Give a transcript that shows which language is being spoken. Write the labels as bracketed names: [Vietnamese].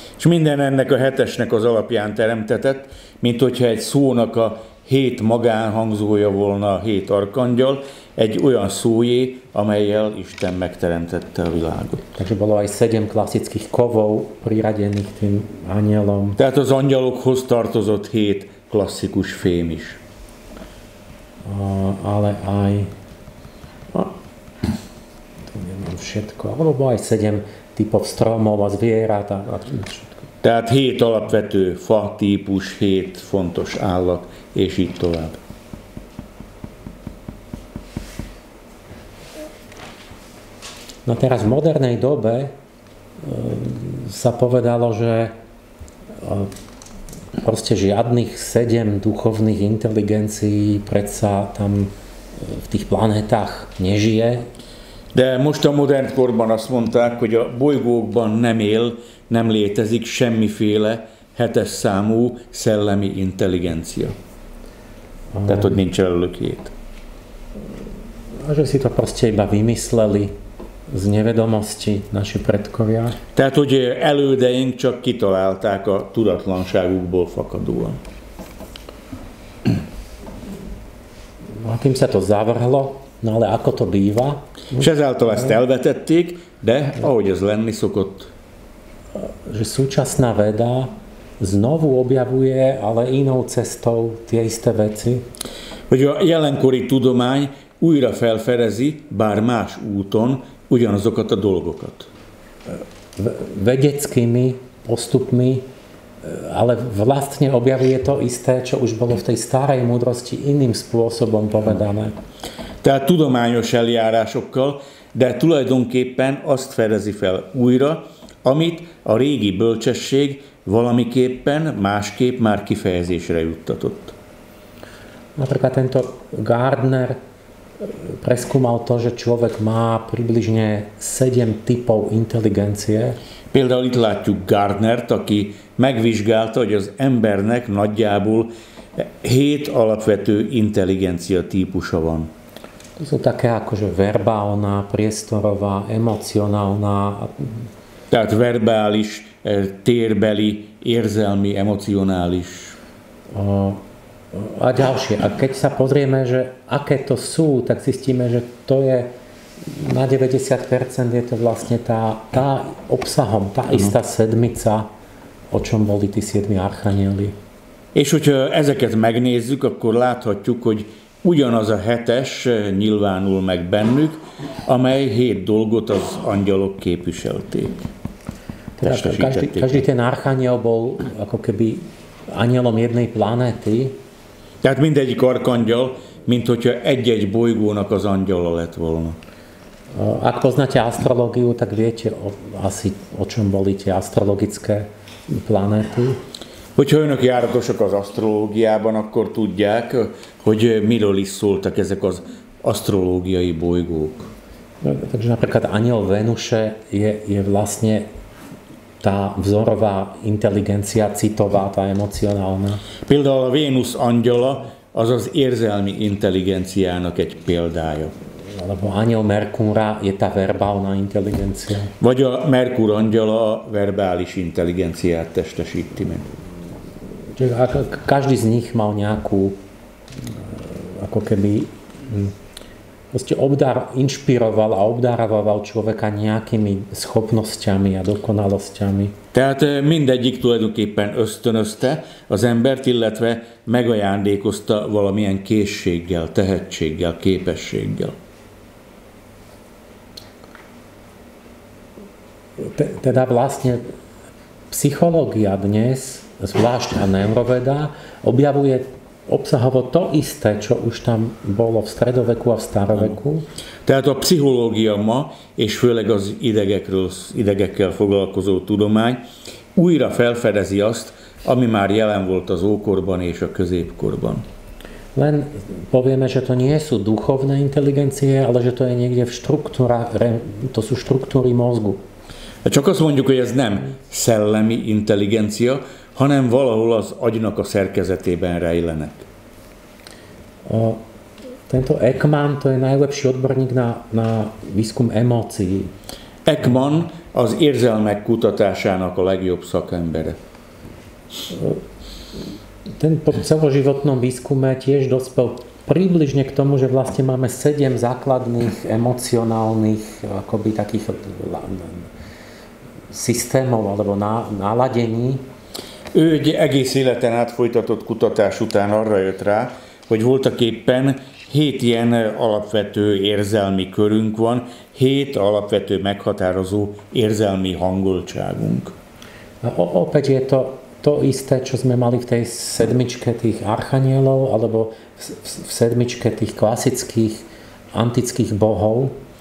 [Hungarian] És minden ennek a hetesnek az alapján teremtetett, mint hogyha egy szónak a 7 magánhangzója volna a 7 arkangyal, egy olyan szójé, amellyel Isten megteremtette a világot. [Slovak] Takže bolo aj 7 klasických kovov priradených tým anjelom. [Hungarian] Tehát az angyalokhoz tartozott 7 klasszikus fém is. [Slovak] Ale aj všetko, alebo aj 7 typov stromov a zvierat a všetko. [Hungarian] Tehát 7 alapvető fa típus, 7 fontos állat, és így tovább. [Slovak] No teraz v modernej dobe sa povedalo, že proste žiadnych 7 duchovných inteligencií predsa tam v tých planetách nežije. [Hungarian] De most a modern korban azt mondták, hogy a bolygókban nem él, nem létezik semmiféle 7. számú szellemi intelligencia. Tehát, hogy nincs előkét. [Slovak] Že si to proste iba vymysleli z nevedomosti naši predkovia. [Hungarian] Tehát, hogy elődeink csak kitalálták a tudatlanságukból fakadóan. [Slovak] No, a tým sa to zavrhlo. No ale ako to býva? [Hungarian] S ezáltal ezt elvetették, de ahogy ez lenni szokott. [Slovak] Že súčasná veda znovu objavuje, ale inou cestou tie isté veci. [Hungarian] Hogy a jelenkori tudomány újra felfedezi, bár más úton, ugyanazokat a dolgokat. [Slovak] Vedeckými postupmi, ale vlastne objavuje to isté, čo už bolo v tej starej múdrosti iným spôsobom povedané. [Hungarian] Tehát tudományos eljárásokkal, de tulajdonképpen azt fedezi fel újra, amit a régi bölcsesség valamiképpen másképp már kifejezésre juttatott. [Slovak] Napríklad tento Gardner preskúmal to, že človek má približne 7 typov inteligencie. [Hungarian] Például itt látjuk Gardnert, aki megvizsgálta, hogy az embernek nagyjából 7 alapvető intelligencia típusa van. [Slovak] To sú také akože verbálna, priestorová, emocionálna. [Hungarian] Tehát verbális, térbeli, érzelmi, emocionális. [Slovak] A ďalšie. A keď sa pozrieme, že aké to sú, tak zistíme, že to je na 90% je to vlastne tá obsahom, tá istá sedmica, o čom boli tí 7 archanieli. [Hungarian] És hogyha ezeket megnézzük, akkor láthatjuk, hogy ugyanaz a 7-es nyilvánul meg bennük, amely 7 dolgot az angyalok képviselték. [Slovak] Každý ten archaniel bol ako keby anielom jednej planéty. [Hungarian] Tehát mindegyik arkangyal, mint hogyha egy-egy bolygónak az angyala lett volna. [Slovak] Ak poznáte astrológiu, tak viete asi o čom boli tie astrologické planéty. [Hungarian] Hogyha önök járatosak az asztrológiában, akkor tudják, hogy miről is szóltak ezek az asztrológiai bolygók. [Slovak] Takže napríklad aniel Venuše je vlastne tá vzorová inteligencia, citová, tá emocionálna. [Hungarian] Például a Vénusz angyala az az érzelmi inteligenciának egy példája. [Slovak] Alebo aniel Merkúra je tá verbálna inteligencia. [Hungarian] Vagy a Merkúr angyala a verbális inteligenciát testesíti meg. [Slovak] Každý z nich mal nejakú ako keby proste inšpiroval a obdarovával človeka nejakými schopnosťami a dokonalosťami. [Hungarian] Tehát mindegyik tulajdonképpen ösztönözte az embert, illetve megajándékozta valamilyen készséggel, tehetséggel, képességgel. [Slovak] Teda vlastne psychológia dnes zvlášť a neuroveda, objavuje obsahovo to isté, čo už tam bolo v stredoveku a v staroveku. [Hungarian] Tehát a pszichológia ma, és főleg az idegekkel foglalkozó tudomány, újra felfedezi azt, ami már jelen volt az ókorban és a középkorban. [Slovak] Len povieme, že to nie sú duchovné inteligencie, ale že to je niekde v štruktúre, to sú štruktúry mozgu. [Hungarian] Csak azt mondjuk, hogy ez nem szellemi intelligencia, hanem valahol az agynak a szerkezetében rejlenek. [Slovak] Tento Ekman, to je najlepší odborník na výskum emócií. [Hungarian] Ekman az érzelmek kutatásának a legjobb szakembere. [Slovak] Ten po celoživotnom výskume tiež dospel približne k tomu, že vlastne máme 7 základných emocionálnych akoby takých systémov alebo náladení. [Hungarian] Ő egy egész életen át folytatott kutatás után arra jött rá, hogy voltak éppen 7 ilyen alapvető érzelmi körünk van, 7 alapvető meghatározó érzelmi hangoltságunk. [Slovak] Opäť je to isté, čo sme mali v tej sedmičke tých archanielov, alebo v sedmičke tých klasických antických bohov.